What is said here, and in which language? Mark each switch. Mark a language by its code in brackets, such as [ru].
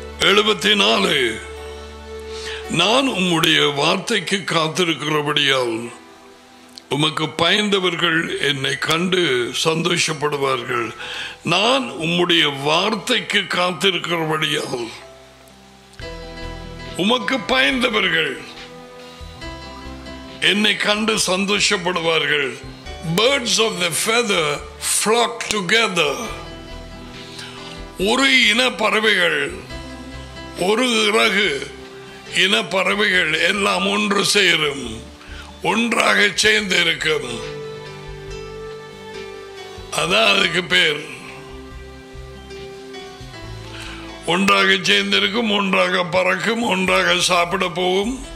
[ta] எழுபத்தி நாலு, நான் உம்முடைய வார்த்தைக்கு காத்திருக்கிறபடியால் உமக்கு பயந்தவர்கள் என்னை கண்டு சந்தோஷப்படுவார்கள். நான் உம்முடைய வார்த்தைக்கு காத்திருக்கிறபடியால் உமக்கு பயந்தவர்கள் என்னை கண்டு சந்தோஷப்படுவார்கள். [en] Birds of the feather flock together. [ta] ஒரு இன பறவைகள், ஒரு இறகு இன பறவைகள் எல்லாம் ஒன்று சேரும், ஒன்றாக சேர்ந்து இருக்கும். அதான் அதுக்கு பேர், ஒன்றாக சேர்ந்து இருக்கும், ஒன்றாக பறக்கும், ஒன்றாக சாப்பிட போகும்.